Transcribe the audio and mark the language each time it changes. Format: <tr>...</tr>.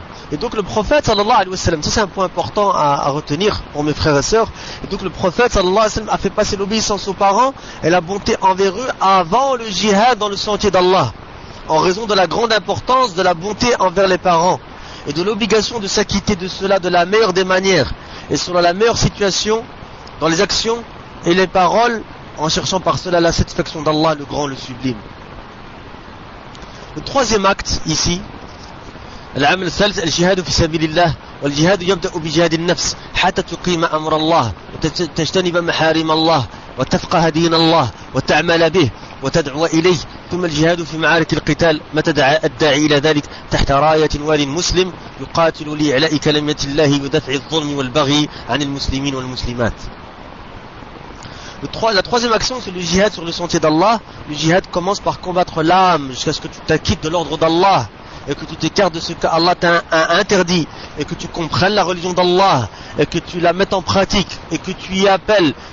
<fr>Et donc le prophète, sallallahu alayhi wa sallam, ça c'est un point important à retenir pour mes frères et sœurs, et donc le prophète, sallallahu alayhi wa sallam, a fait passer l'obéissance aux parents et la bonté envers eux avant le jihad dans le sentier d'Allah, en raison de la grande importance de la bonté envers les parents, et de l'obligation de s'acquitter de cela de la meilleure des manières, et selon la meilleure situation, dans les actions et les paroles, en cherchant par cela la satisfaction d'Allah, le grand, le sublime. Le troisième acte, ici,</fr> <ar>العمل الثالث الجهاد في سبيل الله والجهاد يبدأ بجهاد النفس حتى تقيم أمر الله وتجتنب محارم الله وتفقه دين الله وتعمل به وتدعو إليه ثم الجهاد في معارك القتال متى دعا الداعي إلى ذلك تحت راية والي مسلم يقاتل لإعلاء كلمة الله ودفع الظلم والبغي عن المسلمين والمسلمات.</ar> <fr>La troisième action, c'est le jihad sur le sentier d'Allah. Le jihad commence par combattre l'âme jusqu'à ce que tu t'acquittes de l'ordre d'Allah et que tu t'écartes de ce qu'Allah t'a interdit, et que tu comprennes la religion d'Allah, et que tu la mettes en pratique, et que tu y appelles.</fr>